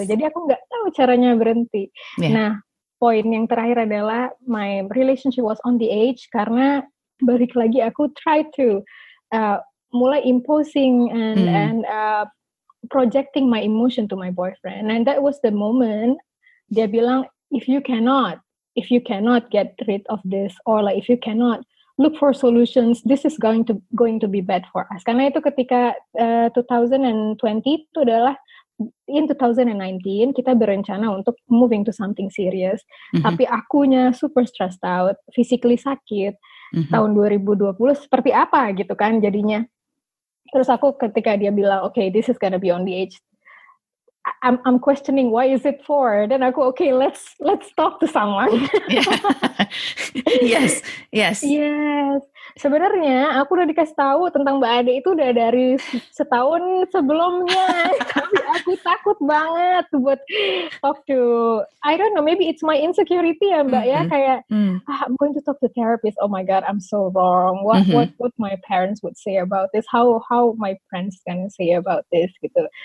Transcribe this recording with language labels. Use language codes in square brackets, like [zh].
[id] Jadi aku nggak tahu caranya berhenti. Nah, poin yang terakhir adalah [en] my relationship was on the edge [id] karena balik lagi aku [en] try to mulai imposing and projecting my emotion to my boyfriend, and that was the moment [id] dia bilang [en] if you cannot get rid of this, or like if you cannot look for solutions, this is going to be bad for us. [id] Karena itu ketika 2020 itu adalah in 2019 kita berencana untuk [en] moving to something serious. [id] Tapi akunya [en] super stressed out, [id] physically sakit. Tahun 2020 seperti apa gitu kan jadinya. Terus aku ketika dia bilang [en] okay, this is gonna be on the edge, I'm questioning why is it for? Then I go, okay, let's talk to someone. Yes. [id] Sebenarnya aku udah dikasih tahu tentang Mbak Ade itu udah dari setahun sebelumnya. Tapi aku takut banget buat [en] talk to, I don't know, maybe it's my insecurity ya Mbak ya. Kayak, I'm going to talk to therapist. Oh my God, I'm so wrong. What my parents would say about this? How my friends gonna say about this? Gitu.